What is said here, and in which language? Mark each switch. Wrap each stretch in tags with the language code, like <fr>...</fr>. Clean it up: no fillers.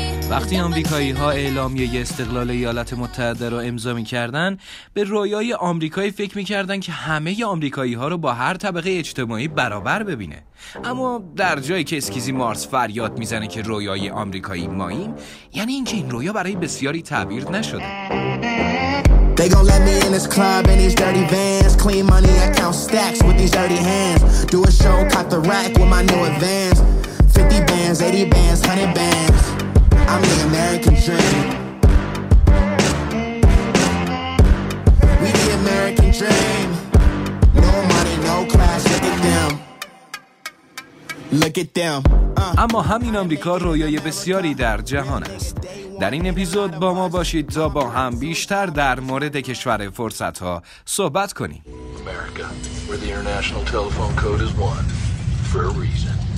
<fa>وقتی آمریکایی‌ها اعلامیه استقلال ایالات متحده رو امضا می‌کردن، به رویای آمریکایی فکر می‌کردن که همه آمریکایی‌ها رو با هر طبقه اجتماعی برابر ببینه. اما در جایی که اسکیزی مارس فریاد می‌زنه که رویای آمریکایی ماییم، یعنی اینکه این رویا برای بسیاری تعبیر نشده.</fa> <en>They gon' let me in this club in these dirty vans. Clean money, I count stacks with these dirty hands. Do a show, cut the rack with my new advance. 50 bands, 80 bands, 100 bands. I'm the American dream. We the American dream. No money, no class, look at them. Look at them.</en> <fa>اما همین آمریکا رویای بسیاری در جهان است. در این اپیزود با ما باشید تا با هم بیشتر در مورد کشور فرصت‌ها صحبت کنیم.</fa> <en>America, where the international telephone code is 1 for a reason.</en>